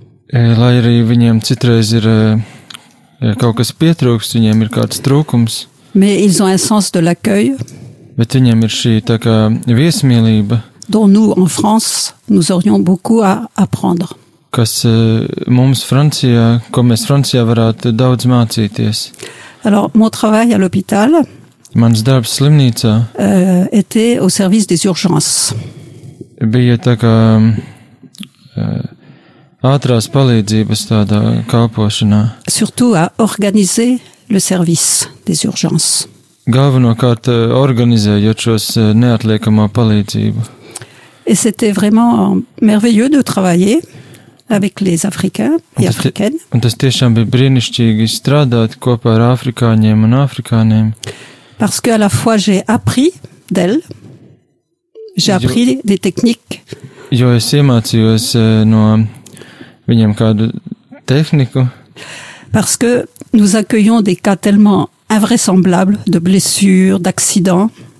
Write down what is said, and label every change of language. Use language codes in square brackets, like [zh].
[lv] là ir viņiem citreiz ir kaut kas pietrūks viņiem ir kāds trūkums [fr] mais ils ont un sens de l'accueil [lv] bet viņiem ir šī tā kā viesmīlība [fr] dont nous en France nous aurions beaucoup à apprendre [lv] kas mums Francijā, ko mēs Francijā varētu daudz mācīties. [fr] Alors, mon travail à l'hôpital. [lv] Mans darbs slimnīcā. [fr] Était au service des urgences. [lv] Bija tā kā ātrās palīdzības tādā kalpošanā. [fr] Surtout à organiser le service des urgences. [lv] Galvenokārt organizējot šos neatliekamo palīdzību. [fr] Et c'était vraiment merveilleux de travailler. Avec les Africains et Africaines. [lv] Un tas tiešām bija brīnišķīgi strādāt kopā ar Afrikāņiem un Afrikāniem. [fr] Parce que à la fois j'ai appris d'elles. J'ai appris des techniques. [lv] Jo es iemācījos no viņiem kādu tehniku. [fr] Parce que nous accueillons des cas tellement invraisemblables de blessures, d'accidents.